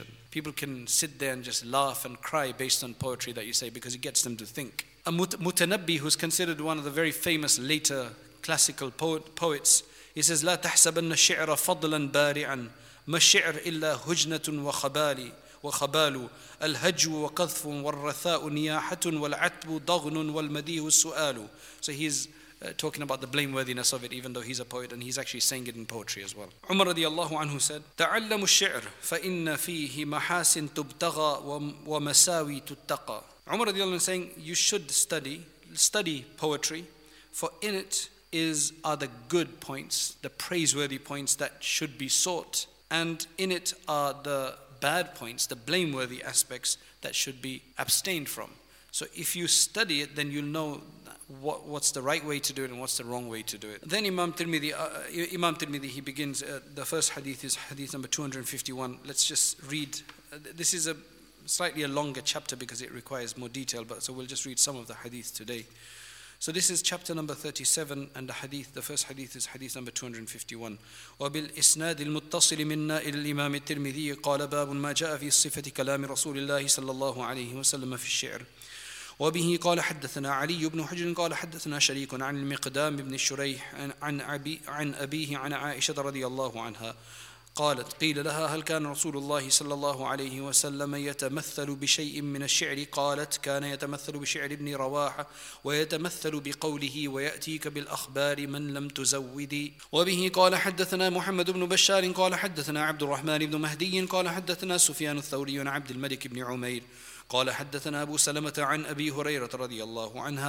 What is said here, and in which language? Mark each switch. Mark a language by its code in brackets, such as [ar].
[en] People can sit there and just laugh and cry based on poetry that you say, because it gets them to think. A Mutanabbi, who's considered one of the very famous later classical poets, he says, [ar] لا تحسبن الشعر فضلا بارعا ما الشعر إلا هجنة وخبالي وخبال الهجو وقذف والرثاء نياحة والعتب ضغن والمديه السؤال. [en] So he's talking about the blameworthiness of it, even though he's a poet and he's actually saying it in poetry as well. Umar radiallahu anhu said, [ar] تعلم الشعر فإن فيه محاسن تبتغى ومساوي تتقى. [en] Umar radiallahu anhu saying, you should study poetry, for in it are the good points, the praiseworthy points that should be sought, and in it are the bad points, the blameworthy aspects that should be abstained from. So if you study it, then you'll know what's the right way to do it and what's the wrong way to do it. Then Imam Tirmidhi, he begins, the first hadith is hadith number 251. Let's just read, this is a slightly a longer chapter because it requires more detail, but so we'll just read some of the hadith today. So this is chapter number 37, and the first hadith is hadith number 251. [ar] وَبِالْ إِسْنَادِ الْمُتَّصِلِ مِنَّا إِلَى الْإِمَامِ التِّرْمِذِي قَالَ بَابٌ مَا جَاءَ فِي صِفَةِ كَلَامِ رَسُولِ اللَّهِ صَلَّى اللَّهُ عَلَيْهِ وَسَلَّمَ فِي الشِّعْرِ وبه قال حدثنا علي بن حجر قال حدثنا شريك عن المقدام بن الشريح عن أبيه عن عائشة رضي الله عنها قالت قيل لها هل كان رسول الله صلى الله عليه وسلم يتمثل بشيء من الشعر قالت كان يتمثل بشعر ابن رواحة ويتمثل بقوله ويأتيك بالأخبار من لم تزودي وبه قال حدثنا محمد بن بشار قال حدثنا عبد الرحمن بن مهدي قال حدثنا سفيان الثوري عبد الملك بن عمير قال حدثنا أبو سلمة عن أبي هريرة رضي الله